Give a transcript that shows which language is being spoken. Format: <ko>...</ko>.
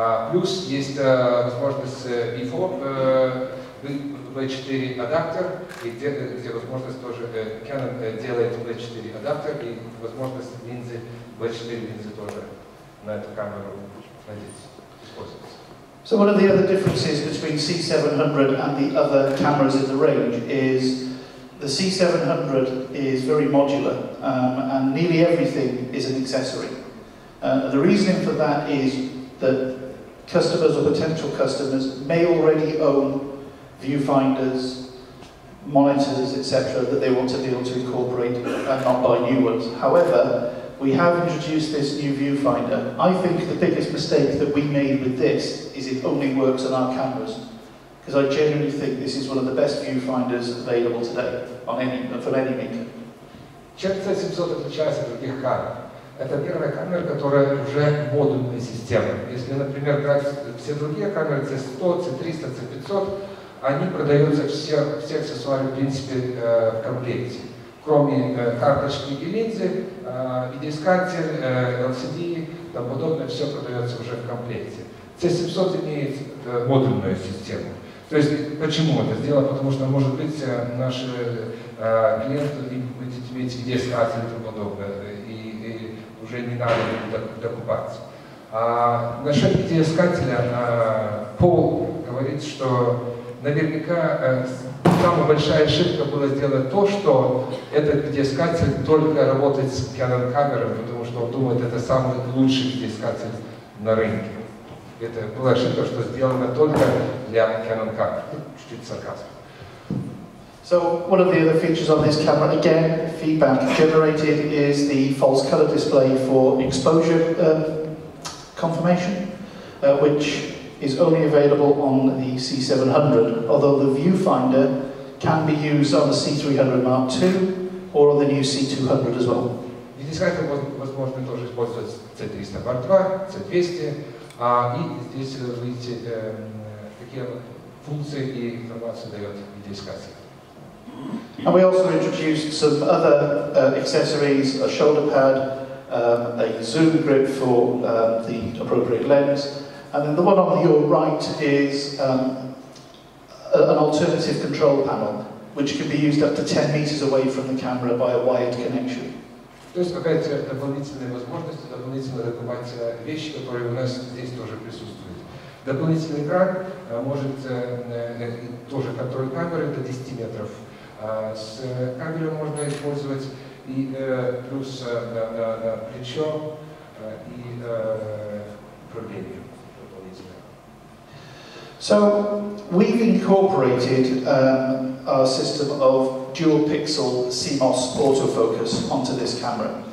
<ru>Плюс есть возможность BFO, V4 адаптер, и где возможность тоже Canon делает V4 адаптер, и возможность линзы, V4 линзы тоже на эту камеру используется.</ru> <en>So one of the other differences between C700 and the other cameras in the range is the C700 is very modular, and nearly everything is an accessory. The reasoning for that is that customers or potential customers may already own viewfinders, monitors, etc., that they want to be able to incorporate and not buy new ones. However, we have introduced this new viewfinder. I think the biggest mistake that we made with this is it only works on our cameras, because I genuinely think this is one of the best viewfinders available today on any, for any maker.</en> <ru>Чем C700 отличается от других камер? Это первая камера, которая уже модульная система. Если, например, брать все другие камеры, C100, C300, C500, они продаются все аксессуары, в принципе, в комплекте. Кроме карточки и линзы, видеоискатель, LCD и тому подобное, все продается уже в комплекте. C700 имеет модульную систему. То есть, почему это сделано? Потому что, может быть, наши клиенты не будут иметь видеоискатель и тому подобное, и уже не надо докупаться. А насчет видеоискателя, Пол говорит, что наверняка самая большая ошибка была сделать то, что этот видеоискатель только работает с Canon камерой, потому что он думает, это самый лучший видеоискатель на рынке. Это была ошибка, что сделано только для Canon камеры. Чуть-чуть сарказм.</ru> <en>So, one of the other features on this camera, again, feedback generated, is the false color display for exposure confirmation, which is only available on the C700, although the viewfinder can be used on the C300 Mark II or on the new C200 as well.</en> <ru>Видеоискатель возможно тоже использовать C300 Mark II, C200, и здесь вы видите, какие функции и информацию дает видеоискатель.</ru> <en>And we also introduced some other accessories, a shoulder pad, a zoom grip for the appropriate lens, and then the one on your right is an alternative control panel, which can be used up to 10 meters away from the camera by a wired connection.</en> <ru>То есть, опять же, дополнительные возможности, дополнительные вещи, которые у нас здесь тоже присутствуют. Дополнительный экран может тоже контроль камеры, это 10 метров. С камерой можно использовать и плюс на плечо и управление.</ru> <en>So, we've incorporated our system of dual pixel CMOS autofocus onto this camera.</en>